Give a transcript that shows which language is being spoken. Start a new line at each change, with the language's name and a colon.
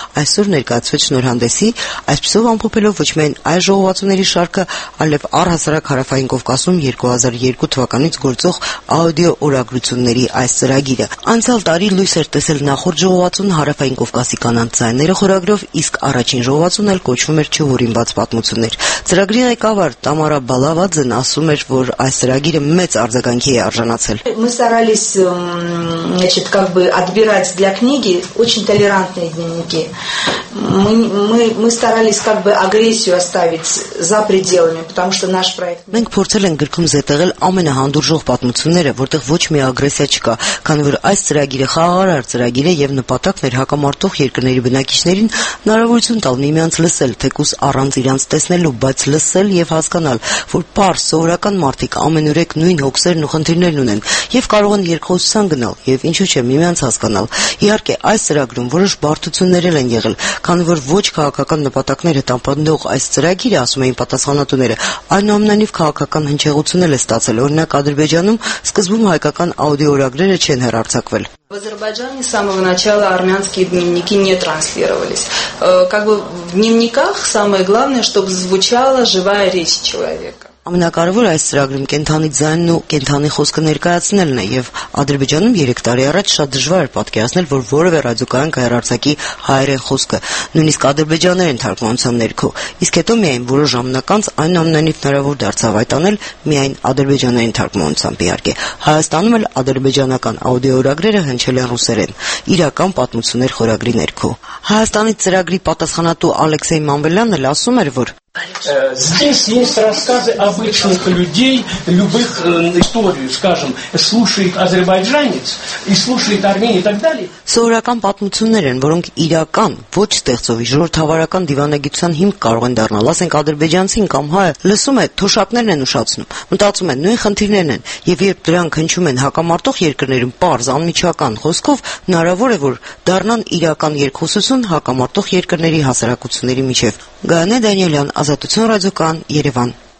Armenian: այսօր ներկայացվեց շնորհանդեսի, այսպիսով ամփոփելով ոչ միայն այս ժողովածուների շարքը, այլև առհասարակ հարավային Կովկասում 2002 թվականից գործող աուդիոօրագրությունների այս ծրագիրը։ Անցյալ տարի լույս էր տեսել նախորդ ժողովածուն հարավային Կովկասի կանանց ձայները խորագրով, իսկ առաջին ժողովածուն էլ կոչվում էր «Չհորինված պատմություններ»։ Ծրագրի ղեկավար Տամարա Բալավաձեն ասում էր, որ այս ծրագիրը մեծ արձագանքի է արժանացել։
Russian: Мы старались, значит, как бы отбирать для книги очень толерантные дневники. Мы старались как бы агрессию оставить за пределами, потому что наш проект.
Armenian: Մենք փորձել ենք գրքում զետեղել ամենահանդուրժող պատմությունները, որտեղ ոչ մի ագրեսիա չկա, քանի որ այս ծրագիրը խաղաղարար ծրագիր է եւ նպատակն էր հակամարտող երկրների բնակիչներին հնարավորություն տալ միմյանց լսել, թեկուզ առանց իրանց տեսնելու, բայց լսել եւ հասկանալ, որ պարզ սովորական մարդիկ ամենուրեք նույն հոգսերն ու խնդիրներն ունեն եւ կարող են երկխոսության գնալ եւ ինչու՞ չէ միմյանց հասկանալ։ Իհարկե այս ծրագրում որոշ բարդություններ են եղել, քանի որ ոչ քաղաքական նպատակներ հետապնդող այս ծրագիրը, ասում էին պատասխանատուները, այնուամենայնիվ քաղաքական հնչեղություն էլ է ստացել, օրինակ Ադրբեջանում սկզբում հայկական աուդիոօրագրերը չեն հեռարձակվել։
Russian: В Азербайджане с самого начала армянские дневники не транслировались. Как бы в дневниках самое главное, чтобы звучала живая речь человека.
Armenian: Ամենակարևորը այս ծրագրում կենթանի ձայնն ու կենթանի խոսքը ներկայացնելն է, եւ Ադրբեջանում 3 տարի առաջ շատ դժվար էր պատկերացնել, որ որևէ ռադիոկայան կհեռարձակի հայերեն խոսքը, նույնիսկ ադրբեջաներեն թարգմանության ներքո, իսկ հետո միայն որոշ ժամանակ անց այնուամենայնիվ հնարավոր դարձավ այտանել միայն ադրբեջաներեն թարգմանությամբ իհարկե։ Հայաստանում էլ ադրբեջանական աուդիոօրագրերը հնչել են ռուսերեն, իրական պատմություններ խորագրի ներքո։ Հայաստանի ծրագրի պատասխանատու Ալեքսեյ Մամվելյանը ասում էր, որ
Russian: Здесь есть рассказы обычных людей, любых историй, скажем, слушает азербайджанец и слушает армян и так далее.
Armenian: Սովորական պատմություններ են, որոնք իրական, ոչ ստեղծովի ժողովրդավարական դիվանագիտության հիմք կարող են դառնալ, ասենք ադրբեջանցին կամ հայը, լսում է, թոշակներն են ուշացնում, մտածում են, նույն խնդիրներն են, եւ երբ դրանք հնչում են հակամարտող երկրներում պարզ անմիջական խոսքով, հնարավոր է, որ դառնան իրական երկխոսություն հակամարտող երկրների հասարակությունների միջև։ Գանե Դանիելյան, Ազատություն ռադիոկան, Երևան։